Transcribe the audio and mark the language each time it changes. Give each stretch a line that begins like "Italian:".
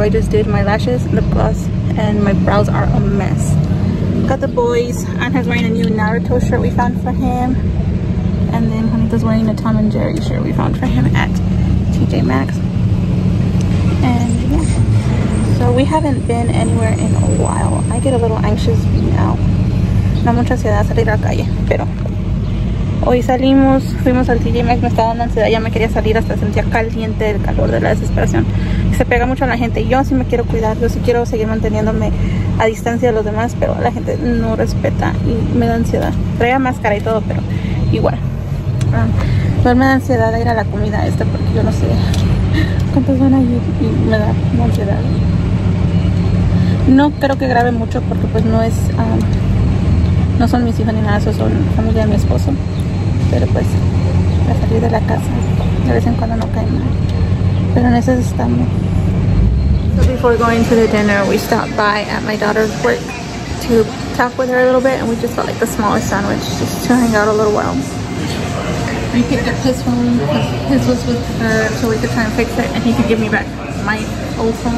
English: I just did my lashes, lip gloss, and my brows are a mess. Got the boys. Anha's wearing a new Naruto shirt we found for him. And then Juanita's wearing a Tom and Jerry shirt we found for him at TJ Maxx. And yeah. So we haven't been anywhere in a while. I get a little anxious being out.
Spanish: No mucha ansiedad salir a la calle, pero... Hoy salimos, fuimos al TJ Maxx, me estaba dando ansiedad, ya me quería salir, hasta sentía caliente el calor de la desesperación. Se pega mucho a la gente, yo sí me quiero cuidar, yo sí quiero seguir manteniéndome a distancia de los demás, pero la gente no respeta y me da ansiedad. Traía máscara y todo, pero igual. Igual me da ansiedad de ir a la comida esta porque yo no sé cuántos van a ir y me da ansiedad. No creo que grabe mucho porque pues no es... No son mis hijos ni nada, eso son familia de mi esposo. Pero pues, a salir de la casa, de vez en cuando no cae mal. Pero en eso estamos.
English: So before going to the dinner, we stopped by at my daughter's work to talk with her a little bit, and we just got like the smallest sandwich, just to hang out a little while. We picked up his phone, because his was with her, so we could try and fix it, and he could give me back my old phone.